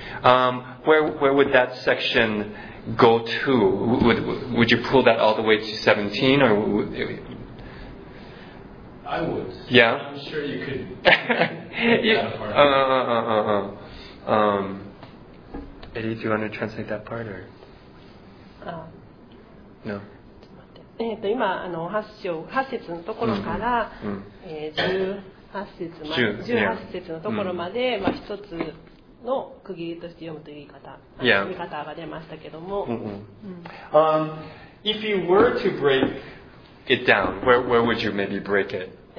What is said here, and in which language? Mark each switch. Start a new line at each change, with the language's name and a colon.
English: Yep. Where would that section go to? Would you pull that all the way to 17 or I would. Yeah. I'm sure you could. Eddie, do you want to translate that part or? No.
Japanese: 今あの8節のところから18節のところまで、まあ一つの区切りとして読むという言い方、
English: yeah.
Japanese: 見方が出ましたけども。
English: If you were to break it down, where would you maybe break it?